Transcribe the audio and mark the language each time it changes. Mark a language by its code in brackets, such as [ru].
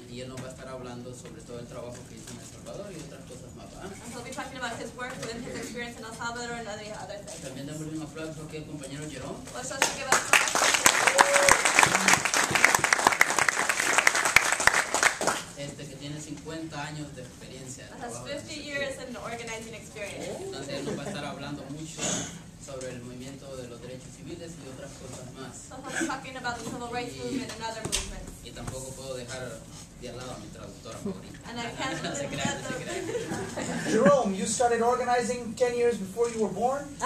[es] Y él nos va a estar hablando sobre todo el trabajo que hizo en El Salvador y otras cosas más. [en] And he'll be talking about his work within his experience in El Salvador and other things. [es] También damos un aplauso aquí al compañero Jerome. [en] Let's also give a [es] que tiene 50 años de experiencia. [en] Has 50 years in organizing experience. [es] Entonces él nos va a estar hablando mucho sobre el movimiento de los derechos civiles y otras cosas más. [en] Talking about the civil rights movement and other movements. [es] Y tampoco puedo dejar de lado a mi traductora favorita. [en] And I can't let her go. Jerome, you started organizing 10 years before you were born?